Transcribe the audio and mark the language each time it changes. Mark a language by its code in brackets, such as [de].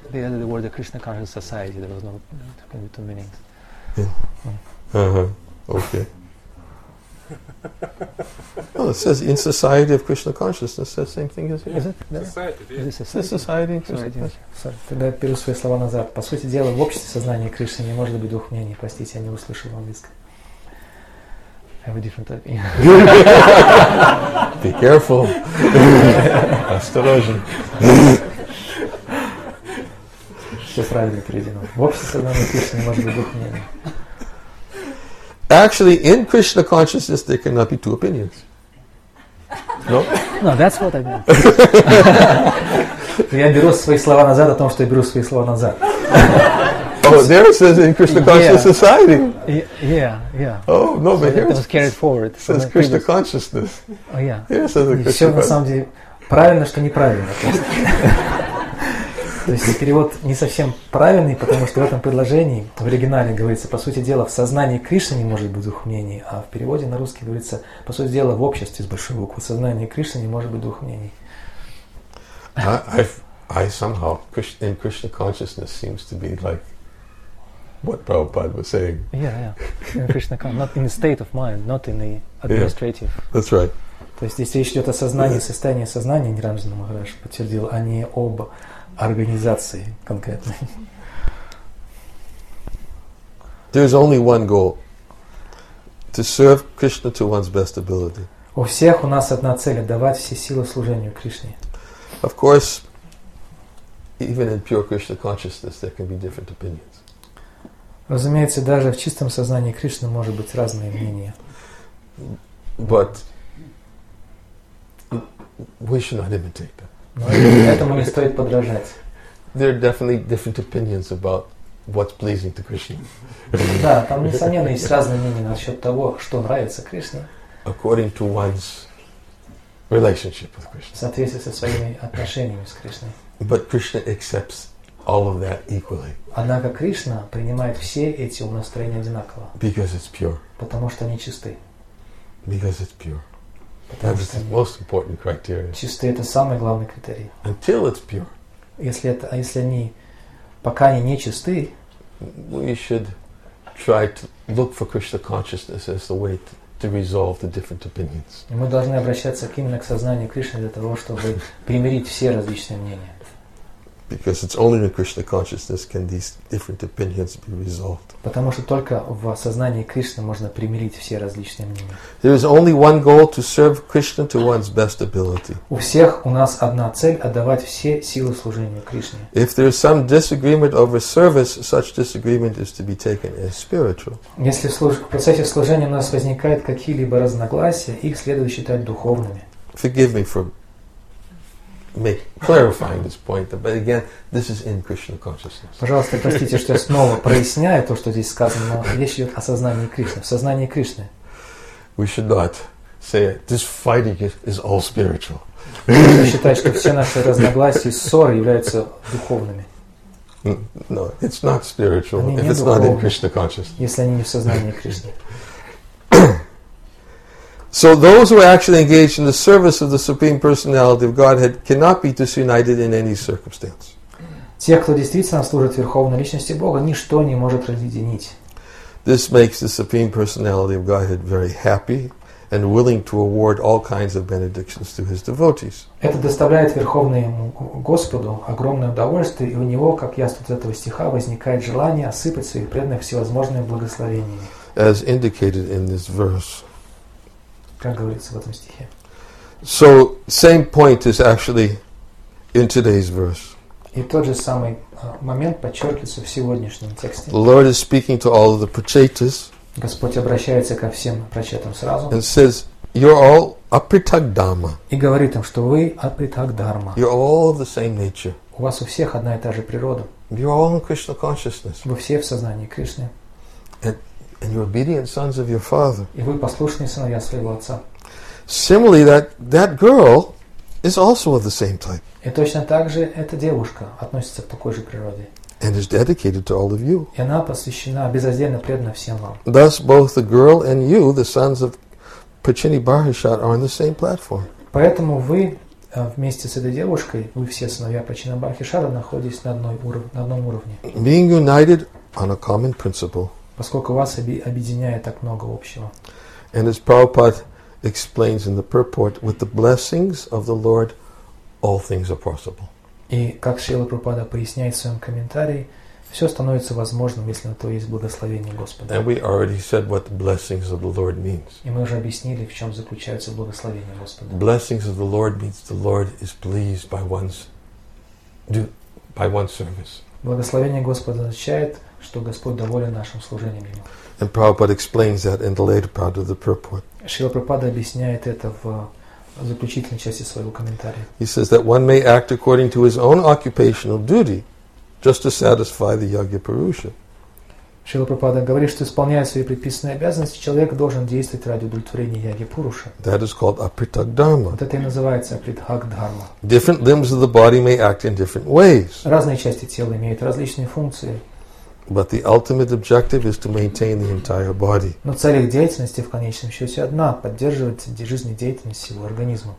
[en] They added the word the Krishna conscious society. There was no there can be two meanings. Yeah. Uh-huh. Okay. Well, it says in society of Krishna consciousness, the same thing as here. Is it? Society. [ru] Тогда я беру свои слова назад. По сути дела, в обществе сознания Кришны не может быть двух мнений. Простите, я не услышал английского. [en] I have a different opinion. Be careful. [ru] Осторожен. Все правильно приведено. В обществе сознания Кришны не может быть двух мнений. [en] Actually, in Krishna consciousness, there cannot be two opinions. No? No, that's what I mean. [ru] Я беру свои слова назад о том, что я беру свои слова назад. [en] Oh, there it says in Krishna consciousness society. Yeah. Oh, no, but here it was carried forward. It says Krishna consciousness. Oh, yeah. Here it says Krishna consciousness. [ru] Все на самом деле правильно, что неправильно. То есть перевод не совсем правильный, потому что в этом предложении, в оригинале говорится, по сути дела, в сознании Кришны не может быть двух мнений, а в переводе на русский говорится, по сути дела, в обществе с большой буквы, в сознании Кришны не может быть двух мнений. [en] I somehow, in Krishna consciousness seems to be like what Prabhupada was saying. Yeah. In Krishna consciousness, not in the state of mind, not in the administrative. Yeah, that's right. [ru] То есть здесь речь идет о сознании, состоянии сознания, Ниранджана Махарадж подтвердил, а не об организации конкретной. [en] There's only one goal. To serve Krishna to one's best ability. [ru] У всех у нас одна цель — отдавать все силы служению Кришне. [en] Of course, even in pure Krishna consciousness, there can be different opinions. [ru] Разумеется, даже в чистом сознании Кришны может быть разные мнения. [en] But we should not imitate them. [ru] Но этому не стоит подражать. [en] There are definitely different opinions about what's pleasing to Krishna. [ru] Да, там несомненно есть разные мнения насчет того, что нравится Кришне. [en] According to one's relationship with Krishna. [ru] В соответствии со своими отношениями с Кришной. [en] But Krishna accepts all of that equally. [ru] Однако Кришна принимает все эти умонастроения одинаково. [en] Because it's pure. [ru] Потому что они чисты. [en] Because it's pure. That is the most important criterion. [ru] Чистый — это самый главный критерий. [en] Until it's pure. [ru] Если они пока они не чисты, [en] we should try to look for Krishna consciousness as the way to resolve the different opinions. [ru] Мы должны обращаться именно к сознанию Кришны для того, чтобы примирить все различные мнения. [en] Because it's only in Krishna consciousness can these different opinions be resolved. [ru] Потому что только в сознании Кришны можно примирить все различные мнения. [en] There is only one goal: to serve Krishna to one's best ability. [ru] У всех у нас одна цель — отдавать все силы служению Кришне. [en] If there is some disagreement over service, such disagreement is to be taken as spiritual. [ru] Если в процессе служения у нас возникают какие-либо разногласия, их следует считать духовными. [en] Forgive me for clarifying this point, but again, this is in Krishna consciousness. [ru] Пожалуйста, простите, что я снова проясняю то, что здесь сказано, но речь идет о сознании Кришны, в сознании Кришны. [en] We should not say this fighting is all spiritual. [ru] Мы считаем, что все наши разногласия и ссоры являются духовными. [en] No, it's not spiritual if it's not in Krishna consciousness. [ru] Если они не в сознании Кришны. [en] So those who are actually engaged in the service of the Supreme Personality of Godhead cannot be disunited in any circumstance. [ru] Те, кто действительно служит Верховной Личности Бога, ничто не может разъединить. [en] This makes the Supreme Personality of Godhead very happy and willing to award all kinds of benedictions to his devotees. [ru] Это доставляет Верховному Господу огромное удовольствие, и у него, как ясно из этого стиха, возникает желание осыпать своих преданных всевозможными благословениями. [en] As indicated in this verse. [ru] Как говорится в этом стихе. [en] So, same point is actually in today's verse. [ru] И тот же самый момент подчеркивается в сегодняшнем тексте. [en] The Lord is speaking to all of the prachetas. [ru] Господь обращается ко всем прачетам сразу. [en] And says, you're all apritakdharma. [ru] И говорит им, что вы апритакдхарма. [en] You're all of the same nature. [ru] У вас у всех одна и та же природа. [en] You're all in Krishna consciousness. [ru] Вы все в сознании Кришны. [en] And you're obedient sons of your father. [ru] И вы послушные сыновья своего отца. [en] Similarly, that girl is also of the same type. [ru] И точно так же эта девушка относится к такой же природе. [en] And is dedicated to all of you. [ru] И она посвящена безраздельно, преданно всем вам. [en] Thus, both the girl and you, the sons of Pachini Bharishat, are on the same platform. [ru] Поэтому вы, вместе с этой девушкой, вы все сыновья Пачинабхархи Шарда, находитесь на одной уровне, на одном уровне. [en] Being united on a common principle. [ru] Поскольку вас объединяет так много общего. [en] And as Prabhupada explains in the purport, with the blessings of the Lord, all things are possible. [ru] И как Шрила Прабхупада поясняет в своем комментарии, все становится возможным, если на то есть благословение Господа. [en] And we already said what the blessings of the Lord means. [ru] И мы уже объяснили, в чем заключается благословение Господа. [en] Blessings of the Lord means the Lord is pleased by one's service. [ru] Благословение Господа означает, что Господь доволен нашим служением Ему. [en] And Prabhupada explains that in the later part of the purport. [ru] Шрила Прабхупада объясняет это в заключительной части своего комментария. [en] He says that one may act according to his own occupational duty, just to satisfy the Yagya Purusha. [ru] Шрила Прабхупада говорит, что исполняя свои предписанные обязанности, человек должен действовать ради удовлетворения Ягья Пуруша. [en] That is called Apritak Dharma. [ru] Вот это и называется Апритхак Дхарма. [en] Different limbs of the body may act in different ways. [ru] Разные части тела имеют различные функции. [en] But the ultimate objective is to maintain the entire body. [ru] Но цель их деятельности в конечном счете одна – поддерживать жизнедеятельность всего организма.